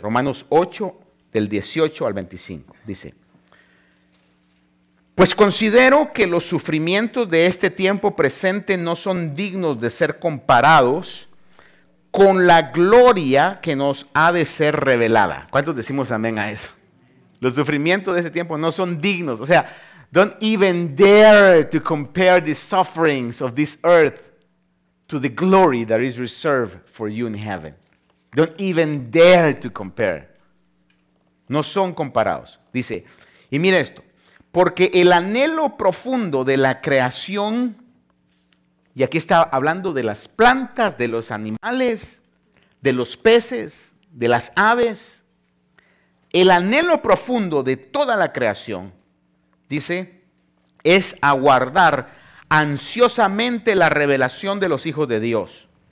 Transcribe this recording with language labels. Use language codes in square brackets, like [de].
[es] Romanos 8, del 18 al 25. Dice: pues considero que los sufrimientos de este tiempo presente no son dignos de ser comparados con la gloria que nos ha de ser revelada. ¿Cuántos decimos amén a eso? Los sufrimientos de este tiempo no son dignos. O sea, [en] don't even dare to compare the sufferings of this earth to the glory that is reserved for you in heaven. Don't even dare to compare. [es] No son comparados. Dice, y mire esto. Porque el anhelo profundo de la creación, y aquí está hablando de las plantas, de los animales, de los peces, de las aves, el anhelo profundo de toda la creación, dice, es aguardar ansiosamente la revelación de los hijos de Dios.